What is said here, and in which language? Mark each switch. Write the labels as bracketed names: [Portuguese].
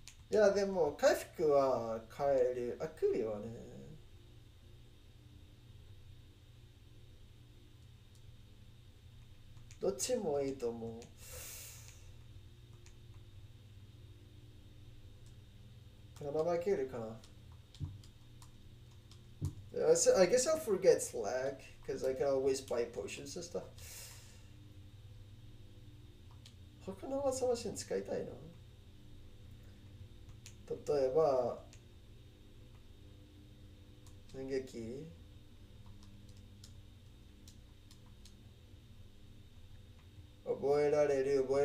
[Japanese] いや、でも回復は変える。あくびはね。どっちもいいと思う。怠けるかな。 [English] I guess I'll forget Slack because I can always buy potions and stuff. [Japanese] 他のは探しに使いたいな。例えば、反撃。覚えられる。